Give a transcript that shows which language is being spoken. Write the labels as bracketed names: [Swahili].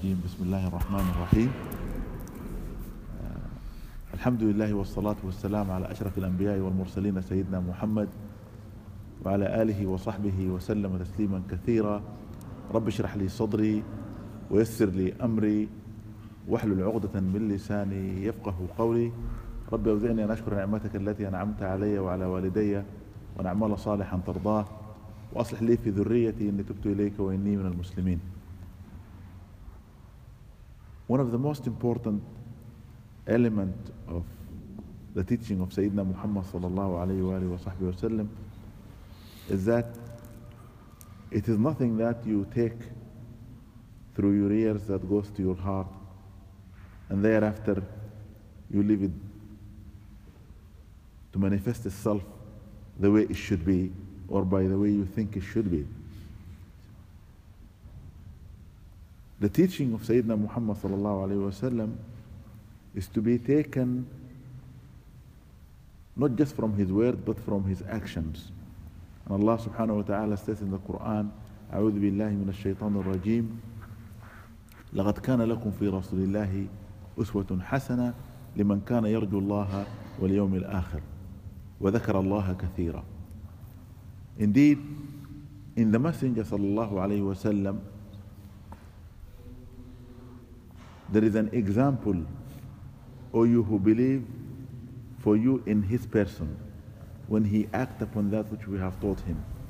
[Arabic] بسم الله الرحمن الرحيم الحمد لله والصلاة والسلام على أشرف الأنبياء والمرسلين سيدنا محمد وعلى آله وصحبه وسلم تسليما كثيرا رب اشرح لي صدري ويسر لي أمري واحلل عقدة من لساني يفقه قولي رب أوزعني أن أشكر نعمتك التي أنعمت علي وعلى والدي وأن أعمل صالحا ترضاه وأصلح لي في ذريتي إني تبت إليك وإني من المسلمين. [English] One of the most important element of the teaching of Sayyidina Muhammad sallallahu alayhi wa alayhi wa sahbihi wa sallam is that it is nothing that you take through your ears that goes to your heart and thereafter you leave it to manifest itself the way it should be or by the way you think it should be. The teaching of Sayyidina Muhammad sallallahu alayhi wa sallam is to be taken not just from his word but from his actions. And Allah subhanahu wa ta'ala says in the Quran, [Arabic] أعوذ بالله من الشيطان الرجيم لقد كان لكم في رسول الله أسوة حسنة لمن كان يرجو الله واليوم الآخر وذكر الله كثيرا. [English] Indeed, in the Messenger sallallahu alayhi wa sallam there is an example, O you who believe, for you in his person, when he acts upon that which we have taught him.